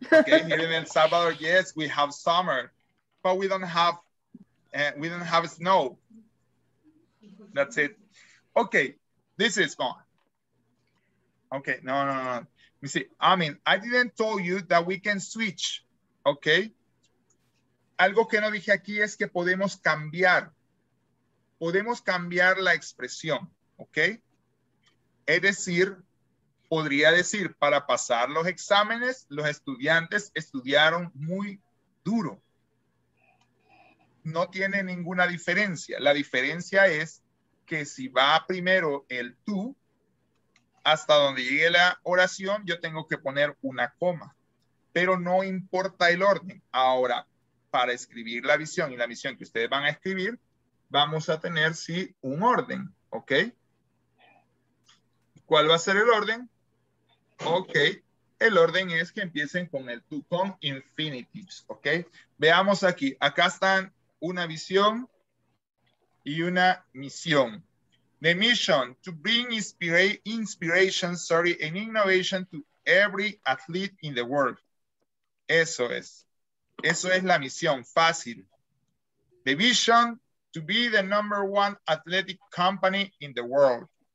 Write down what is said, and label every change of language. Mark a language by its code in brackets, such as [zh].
[en] Okay, here in El Salvador, yes, we have summer, but we don't have snow. That's it. Okay, this is gone. Okay, no. Let me see. I didn't tell you that we can switch. Okay. [es] Algo que no dije aquí es que podemos cambiar. Podemos cambiar la expresión. Okay. Es decir, podría decir, para pasar los exámenes, los estudiantes estudiaron muy duro. No tiene ninguna diferencia. La diferencia es que si va primero el tú, hasta donde llegue la oración, yo tengo que poner una coma. Pero no importa el orden. Ahora, para escribir la visión y la misión que ustedes van a escribir, vamos a tener, sí, un orden. ¿Ok? ¿Cuál va a ser el orden? Ok, el orden es que empiecen con el to, con infinitives, ok. Veamos aquí, acá están una visión y una misión. [en] The mission, to bring inspiration, and innovation to every athlete in the world. [es] Eso es la misión, fácil. [en] The vision, to be the number one athletic company in the world.